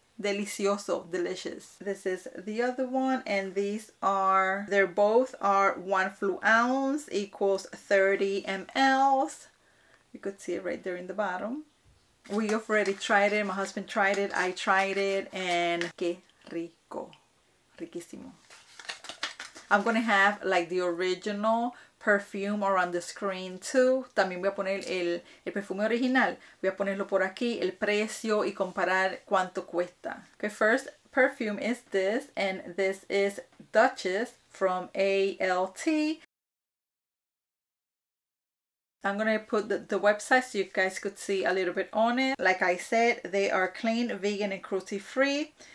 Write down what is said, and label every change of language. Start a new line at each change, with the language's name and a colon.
English: Delicioso, delicious. This is the other one, and these are, they're both are 1 fluid ounce equals 30 mls. You could see it right there in the bottom. We have already tried it, my husband tried it, I tried it, and
Spanish: que rico, riquísimo.
English: I'm gonna have like the original perfume around the screen too.
Spanish: También voy a poner el perfume original, voy a ponerlo por aquí, el precio y comparar cuánto cuesta.
English: Okay, first perfume is this, and this is Duchess from ALT. I'm going to put the website so you guys could see a little bit on it. Like I said, they are clean, vegan, and cruelty-free.